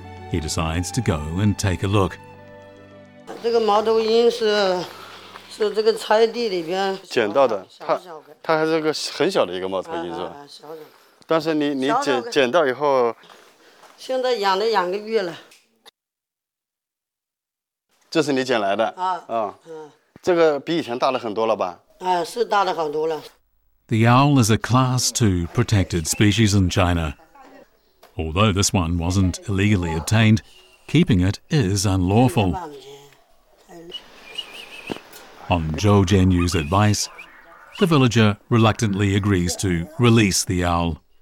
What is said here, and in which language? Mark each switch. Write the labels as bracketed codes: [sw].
[en] He decides to go and take a look. [zh] 这个猫头鹰是这个菜地里边捡到的，它还是个很小的一个猫头鹰，是吧？但是你捡到以后，现在养了两个月了。这是你捡来的啊？这个比以前大了很多了吧？是大了很多了。 [en] The owl is a Class 2 protected species in China. Although this one wasn't illegally obtained, keeping it is unlawful. On Zhou Jianyu's advice, the villager reluctantly agrees to release the owl.